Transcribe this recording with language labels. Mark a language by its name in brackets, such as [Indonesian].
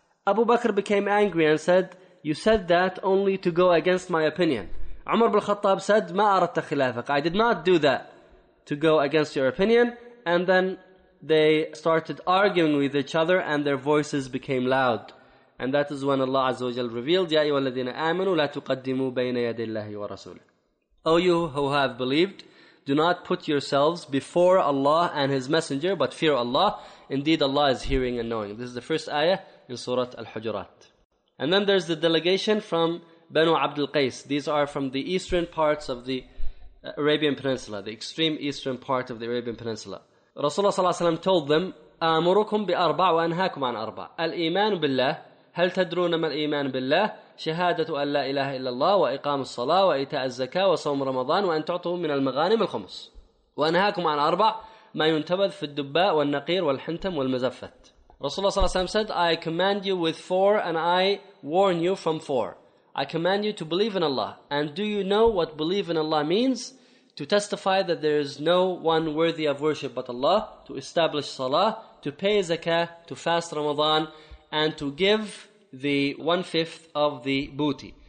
[English] Abu Bakr became angry and said, you said that only to go against my opinion. Umar bin Khattab said, [Arabic] ما أردت خلافك. [English] I did not do that to go against your opinion. And then they started arguing with each other, and their voices became loud. And that is when Allah Azza wa Jal revealed, [Arabic] يا أيها الذين آمنوا لا تقدموا بين يدي الله ورسوله. [English] O you who have believed, do not put yourselves before Allah and His Messenger, but fear Allah. Indeed, Allah is hearing and knowing. This is the first ayah in Surah Al-Hujurat. And then there's the delegation from Banu Abd al-Qais. These are from the eastern parts of the Arabian Peninsula, the extreme eastern part of the Arabian Peninsula. Rasulullah sallallahu alaihi wasallam told them, [Arabic] أمركم بأربع وأنهاكم عن أربع. الإيمان بالله. هل تدرون ما الإيمان بالله؟ شهادة أن لا إله إلا الله وإقام الصلاة وإيتاء الزكاة وصوم رمضان وأن تعطوا من المغانم الخمس. وأنهاكم عن أربع ما ينتبذ في الدباء والنقير والحنتم والمزفت. [English] رسول الله صلى الله عليه وسلم said, I command you with four and I warn you from four. I command you to believe in Allah. And do you know what believe in Allah means? To testify that there is no one worthy of worship but Allah, to establish salah, to pay zakah, to fast Ramadan, and to give the one-fifth of the booty.